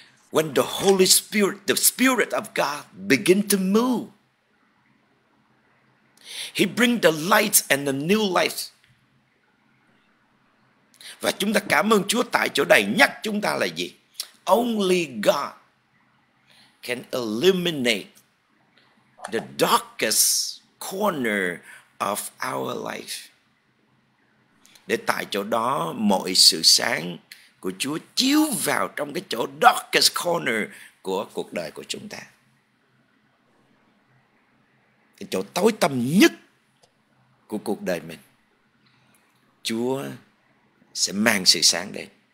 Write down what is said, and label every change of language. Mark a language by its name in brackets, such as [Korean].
[English] When the Holy Spirit, the Spirit of God, begin to move, He bring the light and the new life. [Vietnamese] Và chúng ta cảm ơn Chúa tại chỗ này nhắc chúng ta là gì? [English] Only God can illuminate the darkest corner of our life. [Vietnamese] Để tại chỗ đó mọi sự sáng của Chúa chiếu vào trong cái chỗ [English] darkest corner [Vietnamese] của cuộc đời của chúng ta. Cái chỗ tối tăm nhất của cuộc đời mình, Chúa sẽ mang sự sáng đến.